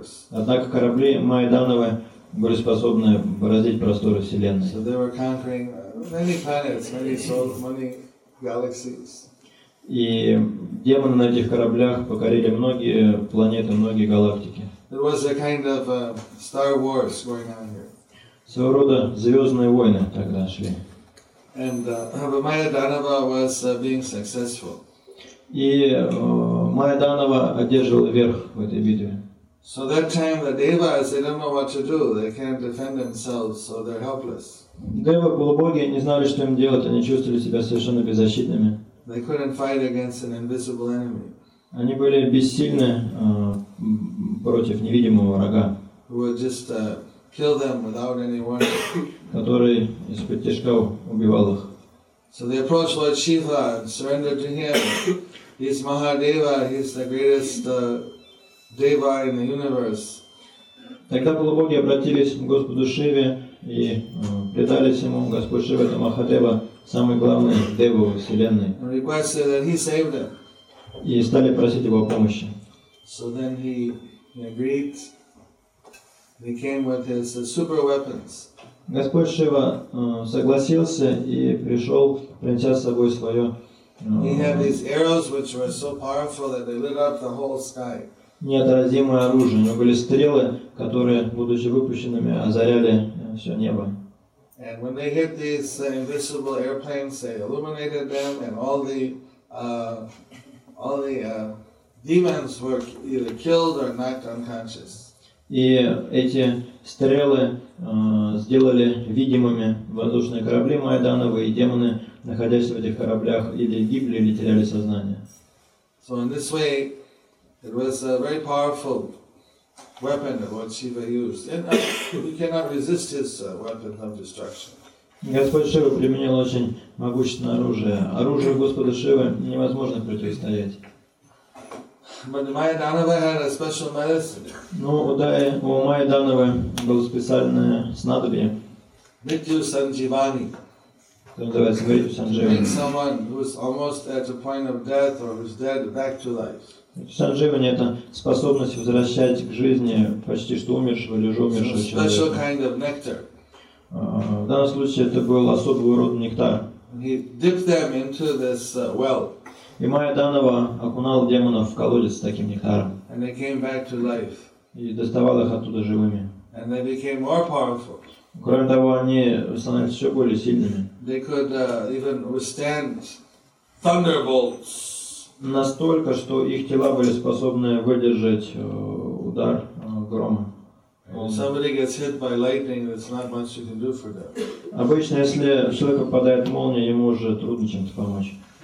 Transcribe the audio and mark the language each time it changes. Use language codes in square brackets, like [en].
[ru] Однако корабли Майя Данава были способны бороздить просторы Вселенной. [en] So they were conquering many planets, many souls, many galaxies. [ru] И демоны на этих кораблях покорили многие планеты, многие галактики. [en] There was a kind of Star Wars going on here. [ru] Своего рода звездные войны тогда шли. [en] And Майя Данава was being successful. [ru] И Майя Данава одерживала верх в этой битве. [en] So that time the devas, they don't know what to do. They can't defend themselves, so they're helpless. [ru] Девы, полубоги, не знали, что им делать. Они чувствовали себя совершенно беззащитными. [en] They couldn't fight against an invisible enemy. [ru] Они были бессильны против невидимого врага. [en] Who would just kill them without any warning. [ru] Который из-под тяжка убивал их. [en] So they approach Lord Shiva and surrender to him. He's Mahadeva, he's the greatest deva in the universe. [ru] Тогда полубоги обратились к Господу Шиве и предались ему. Господь Шива это Махадева, самый главный дева во вселенной. [en] And requested that he save them. [ru] И стали просить его о помощи. [en] So then he agreed. He came with his super weapons. [ru] Господь Шива согласился и пришел, принеся с собой свое. [en] He had these arrows which were so powerful that they lit up the whole sky. [ru] Неотразимое оружие. У него были стрелы, которые, будучи выпущенными, озаряли все небо. [en] And when they hit these invisible airplanes, they illuminated them, and all the demons were either killed or knocked unconscious. [ru] И эти стрелы сделали видимыми воздушные корабли Майданова, и демоны, находясь в этих кораблях, или гибли, или теряли сознание. [en] So in this way, it was a very powerful weapon that Lord Shiva used. And we cannot resist his weapon of destruction. [ru] Господь Шива применил очень могущественное оружие. Оружие Господа Шивы невозможно противостоять. [en] But Майя-данава had a special medicine. [ru] Ну, у Майя-данавы было специальное снадобье. Митью Сандживани. Называется [en] someone who is almost at the point of death or who is dead back to life. [ru] Сандживани — это способность возвращать к жизни почти что умершего или уже умершего человека. [en] It's a special kind of nectar. [ru] В данном случае это был особого рода нектар. [en] He dipped them into this well. [ru] И Майя-данава окунал демонов в колодец с таким нектаром. [en] And they came back to life. [ru] И доставал их оттуда живыми. [en] And they became more powerful. [ru] Кроме того, они становились все более сильными. [en] They could even withstand thunderbolts. [ru] Настолько, что их тела были способны выдержать удар грома. [en] Somebody gets hit by lightning, there's not much you can do for them. [ru] Обычно, если в человека попадает молния, ему уже трудно чем-то помочь.